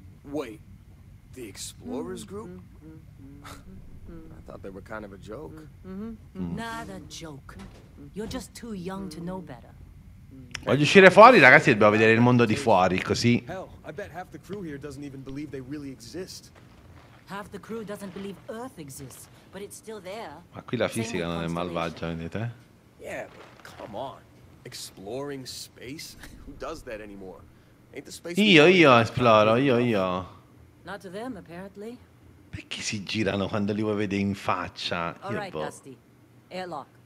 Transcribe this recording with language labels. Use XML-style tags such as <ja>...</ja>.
<en>Wait, the Explorers group? I thought they were kind of a joke. Not a joke. You're just too young to know better.</en> <it>Voglio uscire fuori, ragazzi, dobbiamo vedere il mondo di fuori, così.</it> <en>I bet half the crew here doesn't even believe they really exist. Half the crew doesn't believe Earth exists, but it's still there.</en> <it>Ma qui la fisica non è malvagia, vedete?</it> <en>Yeah, but come on. Exploring space? Who does that anymore? Ain't the space?</en> <it>Io esploro, io.</it> <en>Not to them, apparently.</en> <it>Perché si girano quando li vuoi vedere in faccia?</it> <en>All right, Dusty. Airlock.</en>